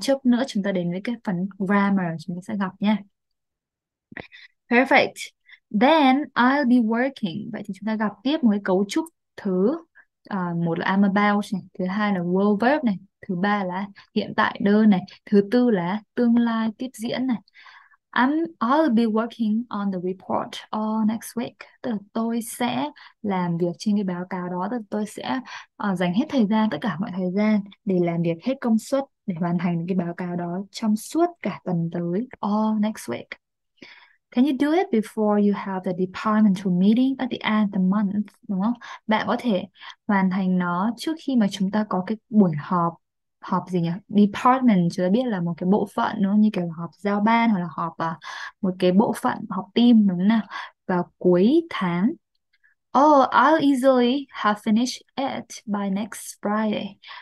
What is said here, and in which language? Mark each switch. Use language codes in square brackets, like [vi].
[vi] Chút nữa chúng ta đến với cái phần grammar chúng ta sẽ gặp nha. [en] Perfect. Then I'll be working. [vi] Vậy thì chúng ta gặp tiếp một cái cấu trúc thứ một là I'm about này, thứ hai là will verb này, thứ ba là hiện tại đơn này, thứ tư là tương lai tiếp diễn này. [en] I'll be working on the report all next week. [vi] Tức là tôi sẽ làm việc trên cái báo cáo đó, tức là tôi sẽ dành hết thời gian, tất cả mọi thời gian để làm việc hết công suất để hoàn thành cái báo cáo đó trong suốt cả tuần tới, [en] all next week. Can you do it before you have the departmental meeting at the end of the month? [vi] Đúng không? Bạn có thể hoàn thành nó trước khi mà chúng ta có cái buổi họp họp gì nhỉ? Department chúng ta biết là một cái bộ phận đúng không? Như kiểu họp giao ban hoặc là họp một cái bộ phận họp team đúng không nào? Vào cuối tháng. [en] Oh, I'll easily have finished it by next Friday.